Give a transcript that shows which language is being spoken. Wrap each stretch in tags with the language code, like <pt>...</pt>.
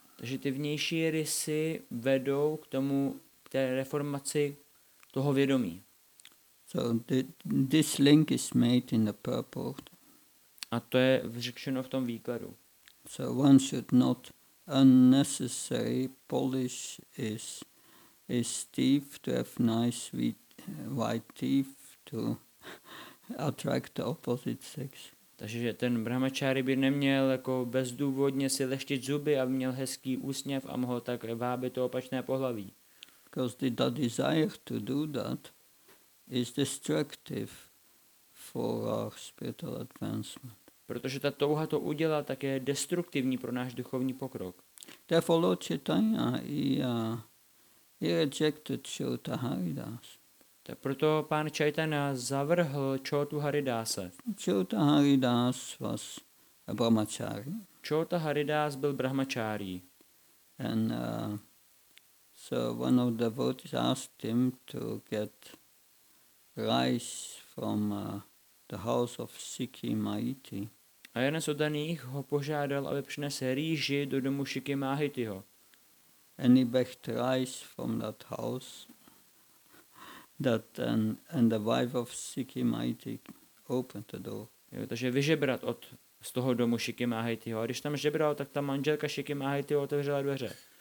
<cs>Takže ty vnější rysy vedou k tomu, k té reformaci toho vědomí.</cs> <en>So this link is made in the purport.</en> <cs>A to je řečeno v tom výkladu.</cs> <en>So one should not unnecessary polish his teeth to have nice sweet white teeth to attract the opposite sex.</en> <cs>Takže ten brahmačáry by neměl jako bezdůvodně si leštit zuby a měl hezký úsměv a mohl tak vábit to opačné pohlaví.</cs> <en>Because the desire to do that is destructive for our spiritual advancement.</en> <cs>Protože ta touha to udělá, tak je destruktivní pro náš duchovní pokrok.</cs> <en>Therefore Lord Chaitanya he rejected Chota Haridas.</en> <cs>Tak proto pán Chaitanya zavrhl Chotu Haridase.</cs> <en>Chota Haridas was a brahmachari.</en> <cs>Chota Haridas byl brahmachari.</cs> <en>And so one of the devotees asked him to get rice from the house of Shikimaiti.</en> <cs>A jeden z oddaných ho požádal, aby přinesl rýži do domu Shikimaitiho.</cs> <en>And he begged rice from that house. And the wife of Shikimaiti opened the door.</en> <cs>Jo, takže vyžebrat z toho domu Shikimaitiho. A když tam žebral, tak ta manželka Shikimaitiho otevřela dveře.</cs>